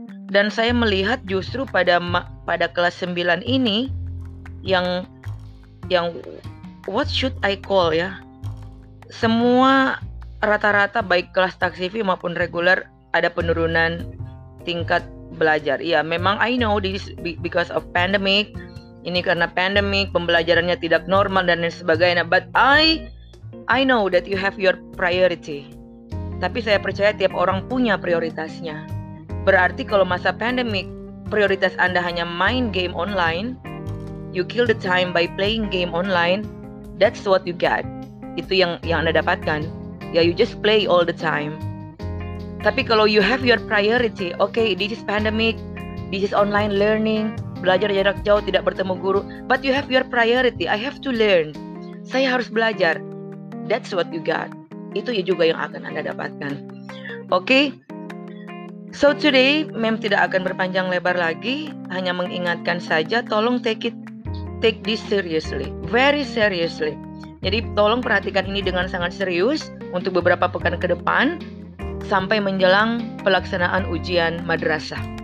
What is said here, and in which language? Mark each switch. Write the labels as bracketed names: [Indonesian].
[Indonesian] Dan saya melihat justru pada kelas 9 ini yang [English] what should I call [Indonesian] ya? Semua rata-rata baik kelas taksifi maupun reguler ada penurunan tingkat belajar. Ya, memang [English] I know this because of pandemic. [Indonesian] Ini karena pandemic, pembelajarannya tidak normal dan lain sebagainya. [English] But I know that you have your priority. [Indonesian] Tapi saya percaya tiap orang punya prioritasnya. Berarti kalau masa pandemic, prioritas Anda hanya main game online, [English] you kill the time by playing game online, that's what you get. [Indonesian] Itu yang Anda dapatkan. [English] Yeah, you just play all the time. [Indonesian] Tapi kalau [English] you have your priority, okay, this is pandemic, this is online learning, [Indonesian] belajar jarak jauh, tidak bertemu guru, [English] but you have your priority, I have to learn. [Indonesian] Saya harus belajar. [English] That's what you got. [Indonesian] Itu ya juga yang akan Anda dapatkan. [English] Okay? So today, [Indonesian] Mem tidak akan berpanjang lebar lagi, hanya mengingatkan saja, tolong [English] take this seriously. Very seriously. [Indonesian] Jadi tolong perhatikan ini dengan sangat serius untuk beberapa pekan ke depan sampai menjelang pelaksanaan ujian madrasah.